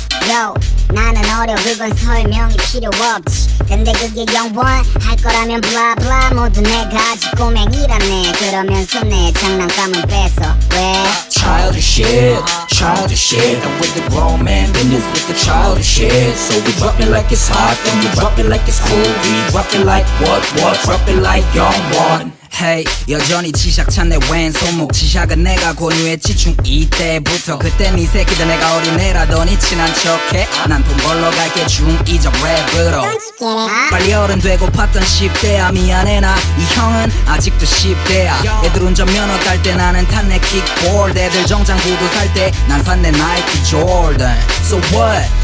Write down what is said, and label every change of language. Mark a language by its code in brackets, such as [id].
[ko] Yo, 나는 어려 그건 설명이 필요 없지. 근데 그게 영원할 거라면 blabla 모두 내 가지 꼬맹이라네. 그러면서 내 장난감은 뺏어. 왜? [en] Childish shit, childish shit. I'm with the grown man, then it's with the childish shit. So we drop it like it's hot, then we drop it like it's cool. We drop it like what? Drop it like young one. [ko] Hey, 여전히 지샥 찾네 왼손목 지샥은 내가 권유했지 중 이때부터 그땐 이 새끼들 내가 어린애라더니 친한 척해 난 돈 벌러 갈게 중 이적 랩으로 빨리 어른 되고 팠던 10대야 미안해 나 이 형은 아직도 10대야 애들 운전 면허 딸 때 나는 탔네 킥보드 애들 정장 구두 살 때 난 샀네 나이키 조던 [en] So what?